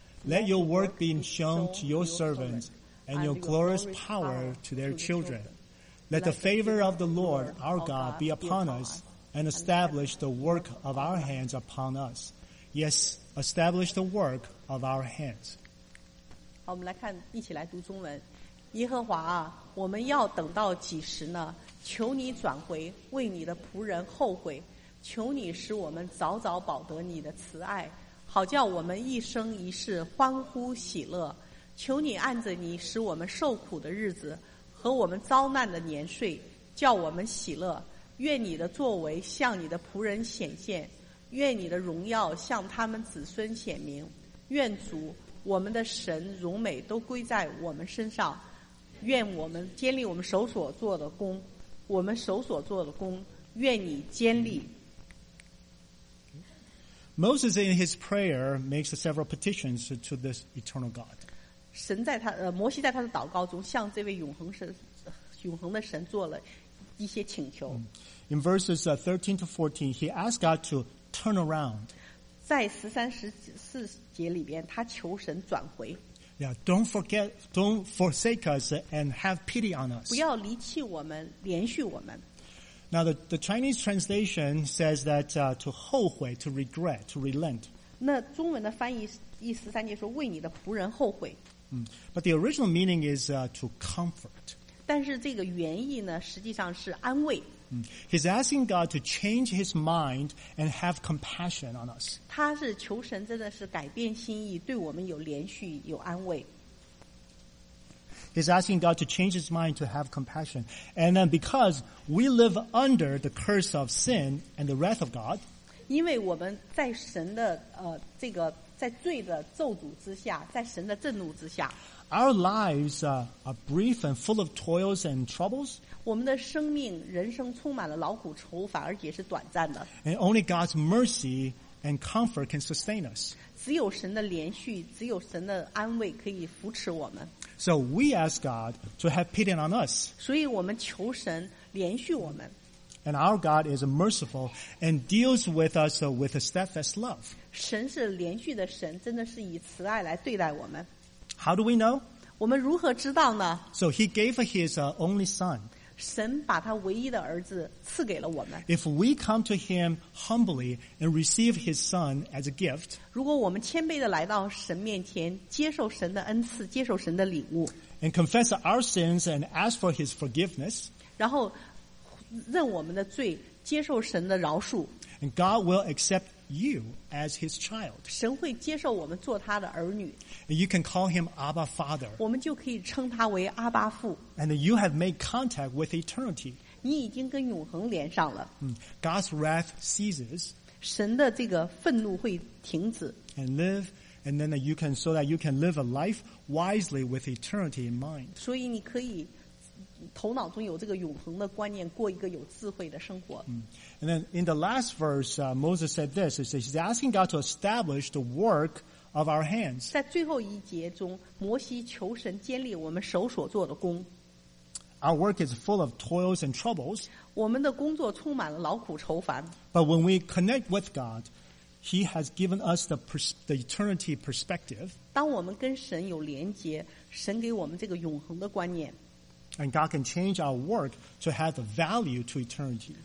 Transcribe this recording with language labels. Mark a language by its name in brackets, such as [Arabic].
[English] Let your work be shown to your servants, and your glorious power to their children. Let the favor of the Lord our God be upon us, and establish the work of our hands upon us. Yes, establish the work of our hands. [Chinese] 好，我们来看，一起来读中文。耶和华啊，我们要等到几时呢？求你转回，为你的仆人后悔。求你使我们早早保得你的慈爱，好叫我们一生一世欢呼喜乐。求你按着你使我们受苦的日子和我们遭难的年岁，叫我们喜乐。愿你的作为向你的仆人显现，愿你的荣耀向他们子孙显明。愿主我们的神荣美都归在我们身上，愿我们坚立我们手所做的功，我们手所做的功，愿你坚立。 [English] Moses in his prayer makes several petitions to this eternal God. [Chinese] 神在他摩西在他的祷告中向这位永恒的神做了一些请求。 [English] In verses 13 to 14, he asks God to turn around. [Chinese] 在十三十四节里边，他求神转回。 [English] Yeah, don't forsake us and have pity on us. [Chinese] 不要离弃我们，怜恤我们。 [English] Now the Chinese translation says that to 后悔, to regret, to relent. [Chinese] 那中文的翻译第十三节说为你的仆人后悔。 [English] But the original meaning is to comfort. [Chinese] 但是这个原意呢，实际上是安慰。 [English] He's asking God to change his mind and have compassion on us. [Chinese] 他是求神真的是改变心意，对我们有怜恤，有安慰。 [English] He's asking God to change his mind to have compassion. And then because we live under the curse of sin and the wrath of God, [Chinese] 因为我们在神的这个在罪的咒诅之下，在神的震怒之下。 [English] Our lives are brief and full of toils and troubles. [Chinese] 我们的生命人生充满了劳苦愁烦，而且是短暂的。 [English] And only God's mercy and comfort can sustain us. [Chinese] 只有神的怜恤，只有神的安慰可以扶持我们。 [English] So we ask God to have pity on us. [Chinese] 所以我们求神怜恤我们。 [English] And our God is merciful and deals with us with a steadfast love. [Chinese] 神是怜恤的神，真的是以慈爱来对待我们。 [English] How do we know? [Chinese] 我们如何知道呢? [English] So he gave his only son. [Chinese] 神把他唯一的儿子赐给了我们。 [English] If we come to him humbly and receive his son as a gift, [Chinese] 如果我们谦卑地来到神面前，接受神的恩赐，接受神的礼物。 [English] And confess our sins and ask for his forgiveness. [Chinese] 然后认我们的罪，接受神的饶恕。 [English] And God will accept you as his child. [Chinese] 神会接受我们做他的儿女。 [English] And you can call him Abba Father. [Chinese] 我们就可以称他为阿巴父。 [English] And you have made contact with eternity. [Chinese] 你已经跟永恒连上了。 [English] God's wrath ceases. [Chinese] 神的这个愤怒会停止。 [English] And live, and then you can, so that you can live a life wisely with eternity in mind. [Chinese] 所以你可以头脑中有这个永恒的观念，过一个有智慧的生活。 [English] And then in the last verse, Moses said this. He says he's asking God to establish the work of our hands. [Chinese] 在最后一节中，摩西求神建立我们手所做的工。 [English] our work is full of toils and troubles. [Chinese] 我们的工作充满了劳苦愁烦。 [English] But when we connect with God, He has given us the eternity perspective. [Chinese] 当我们跟神有连结，神给我们这个永恒的观念。 [English] And God can change our work to have the value to eternity.